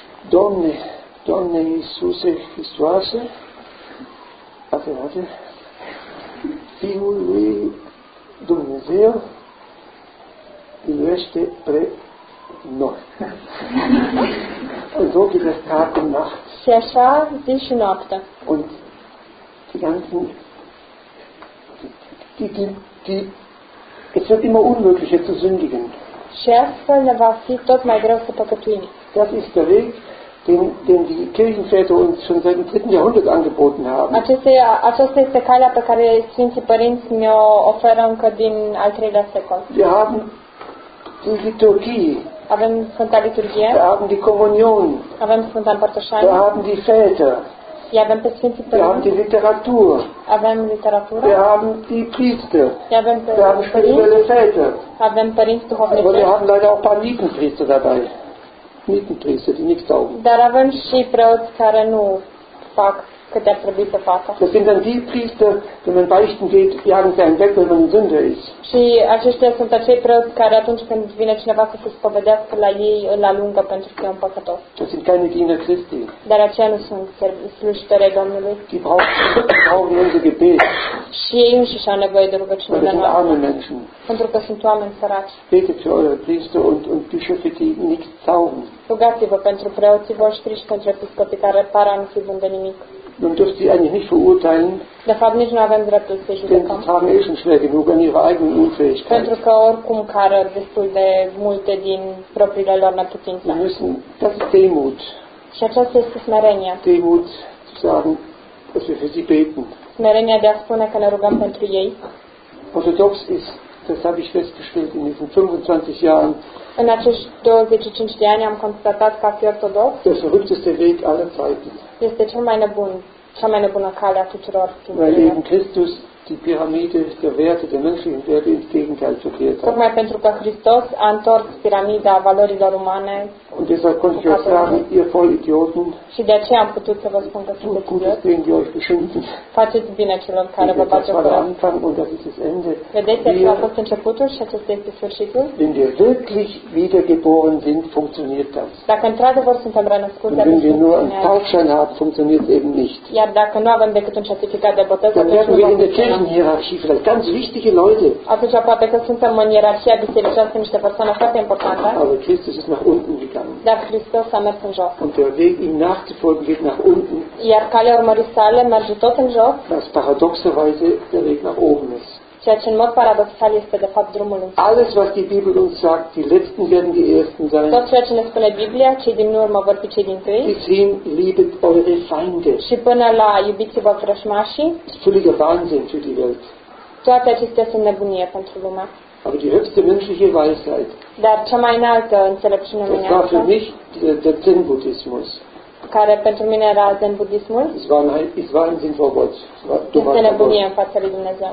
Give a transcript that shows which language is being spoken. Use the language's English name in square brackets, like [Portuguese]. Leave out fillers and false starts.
[Romanian] Domne, Domne Iisuse Hristoase, atenate, Fiul lui Dumnezeu, iubește pre noi. [German] Und so geht es Tag und Nacht. [Romanian] Și așa, zi și noapte. [German] Und die ganzen, die, es wird immer unmöglicher zu sündigen. [Romanian] Și astfel ne va fi tot mai greu să păcătuim. [German] Das ist der Weg, den die Kirchenväter uns schon seit dem 3. Jahrhundert angeboten haben. [Romanian] Aceasta este calea pe care Sfinții Părinți ne-o oferă încă din al 3-lea secol. [German] Wir haben die Liturgie. [Romanian] Avem Sfânta Liturghie. [German] Wir haben die Kommunion. [Romanian] Avem Sfânta Împărtășanie. [German] Wir haben die Väter. Wir haben die [Romanian] Sfinții Părinți. [German] Wir haben die Literatur. [Romanian] Avem literatura. [German] Wir haben die Priester. Wir haben spirituelle Väter. [Romanian] Avem Părinți Duhovnici. [German] Aber wir haben leider auch ein paar Nietenpriester dabei. Nietenpriester, die nicht taugen. [Romanian] Dar avem și preoți care nu fac câte ar trebui să facă. [German] Das sind dann die Priester, wenn man beichten geht, jagen sie einen weg, wenn man ein Sünder ist. [Romanian] Și aceștia sunt acei preoți care atunci când vine cineva să se spovedească la ei, îl alungă pentru că e un păcătos. [German] Das sind keine Diener Christi. [Romanian] Dar aceia nu sunt slujitorii Domnului. [German] Die brauchen unser Gebet. [Romanian] Și ei înșiși au nevoie de rugăciunea noastră. [German] Weil sie sind arme Menschen. [Romanian] Pentru că sunt oameni săraci. [German] Betet für eure Priester und Bischöfe, die nicht taugen. [Romanian] Rugați-vă pentru preoții voștri și pentru episcopii care par a nu fi buni de nimic. [German] Nun dürft ihr eigentlich nicht verurteilen. [Romanian] De fapt, nici nu avem dreptul să-i judecăm. [German] Denn sie tragen eh schon schwer genug an ihrer eigenen Unfähigkeit. [Romanian] Pentru că oricum cară destul de multe din propriile lor neputințe. [German] Wir müssen, das ist Demut. [Romanian] Și aceasta este smerenia. [German] Demut zu sagen, dass wir für sie beten. [Romanian] Smerenia de a spune că ne rugăm pentru ei. [German] Orthodox ist das habe ich festgestellt in diesen 25 Jahren. [Romanian] În acești 25 de ani am constatat că a fi ortodox. [German] Der verrückteste Weg aller Zeiten. [Romanian] Este cea mai nebună cale a tuturor timpurilor. [German] Weil eben Christus die Pyramide der Werte, der menschlichen Werte ins Gegenteil zu kehrt. [Romanian] Tocmai pentru că Hristos a întors piramida valorilor umane. [German] Und deshalb konnte ich auch sagen, ihr Vollidioten. [Romanian] Și de aceea am putut să vă spun că sunteți idioți. Faceți bine celor care vă face rău. [German] Das war der Anfang und das ist das Ende. [Romanian] Vedeți, acesta a fost începutul și acesta este sfârșitul. [German] Wenn wir wirklich wiedergeboren sind, funktioniert das. [Romanian] Dacă într-adevăr suntem renăscuți, atunci [German] Wenn wir nur einen Taufschein haben, funktioniert es eben nicht. [Romanian] Iar dacă nu avem decât un certificat de botez, atunci nu funcționează. [German] Hierarchie, vielleicht ganz wichtige Leute. [Romanian] Atunci, poate că suntem în ierarhia bisericească niște persoane foarte importante. [German] Aber Christus ist nach unten gegangen. [Romanian] Dar Hristos a mers în jos. [German] Und der Weg ihm nachzufolgen geht nach unten. [Romanian] Iar calea urmării sale merge tot în jos. [German] Das paradoxerweise der Weg nach oben ist. [Romanian] Ceea ce în mod paradoxal este de fapt drumul în sus. [German] Alles was die Bibel uns sagt, die Letzten werden die Ersten sein. [Romanian] Tot ceea ce ne spune Biblia, cei din urmă vor fi cei din tâi. [German] Bis hin, liebet eure Feinde. [Romanian] Și până la iubiți-vă vrășmașii. [German] Das ist völliger Wahnsinn für die Welt. [Romanian] Toate acestea sunt nebunie pentru lumea. [German] Aber die höchste menschliche Weisheit. [Romanian] Dar cea mai înaltă înțelepciune omenească. [German] Das war für mich der Zen-Buddhismus. [Romanian] Care pentru mine era Zen Budismul. [German] Es war ein Sinn vor Gott. [Romanian] Este nebunie în fața lui Dumnezeu.